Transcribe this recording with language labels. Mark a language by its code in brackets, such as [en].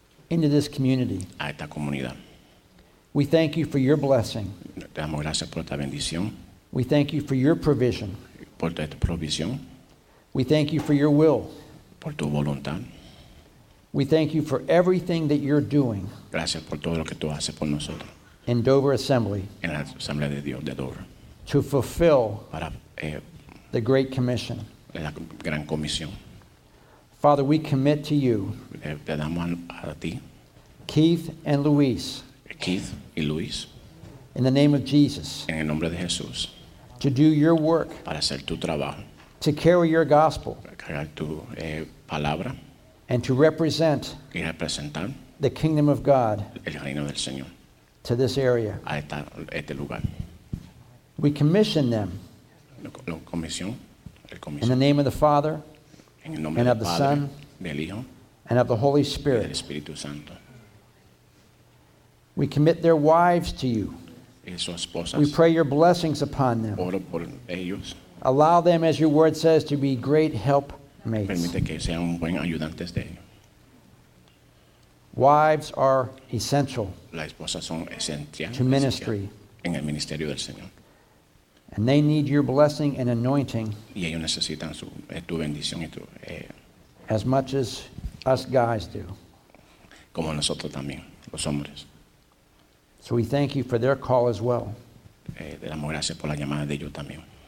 [en] Into this community. [es] A esta comunidad. [en] We thank you for your blessing. [es] Te damos gracias por esta bendición. [en] We thank you for your provision. [es] Por esta provisión. [en] We thank you for your will. [es] Por tu voluntad. [en] We thank you for everything that you're doing. [es] Gracias por todo lo que tú haces por nosotros. [en] In Dover Assembly. [es] En la Asamblea de Dios de Dover. [en] To fulfill [es] para, [en] the Great Commission. [es] La gran comisión. [en] Father, we commit to you. [es] Te damos a ti. [en] Keith and Luis. [es] Keith y Luis. [en] In the name of Jesus. [es] En el nombre de Jesús. [en] To do your work. [es] Para hacer tu trabajo. [en] To carry your gospel. [es] Cargar tu palabra. [en] And to represent [es] y representar [en] the kingdom of God [es] el reino del Señor. [en] to this area. [es] A esta, este lugar. [en] We commission them. [es] Lo comisión, el comisión. [en] In the name of the Father, [es] en el nombre [en] and [es] del [en] of [es] Padre, [en] the Son, [es] del Hijo, [en] and of the Holy Spirit. [es] Del Espíritu Santo. [en] We commit their wives to you. We pray your blessings upon them. [es] Oro por ellos. [en] Allow them, as your word says, to be great helpmates. [es] Permite que sean un buen ayudantes de ellos. [en] Wives are essential. [es] Las esposas son esenciales [en] to ministry. [es] En el ministerio del Señor. [en] And they need your blessing and anointing. [es] Y ellos necesitan su, tu bendición y tu, [en] as much as us guys do. [es] Como nosotros también, los hombres. [en] So we thank you for their call as well. [es] Le damos gracias por la llamada de ellos también.